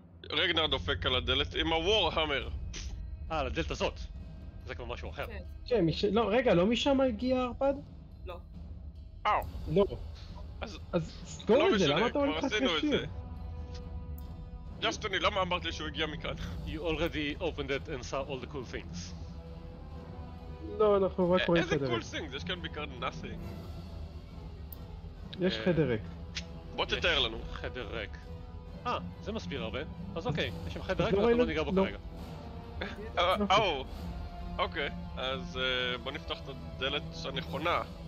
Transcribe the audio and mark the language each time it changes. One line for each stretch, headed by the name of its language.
Hebrew: רגנר דופק על הדלת עם הוורהמר. על הדלת הזאת. זה כבר משהו אחר. כן, לא, רגע, לא משם הגיע ערפד? לא. אוו. לא. אז סגור את זה, למה אתה הולך לשיר? דסטיני, למה אמרת לי שהוא הגיע מכאן?
English: You already opened it and saw all the cool things.
Hebrew: לא, אנחנו רק רואים חדרק. איזה קולסינג, יש כאן בעיקר נאסינג. יש חדרק. בוא תתאר לנו. חדרק. אה, זה מסביר הרבה. אז אוקיי, יש שם חדרק ואנחנו לא ניגע בו כרגע. אהו. אוקיי, אז בוא נפתח את הדלת הנכונה.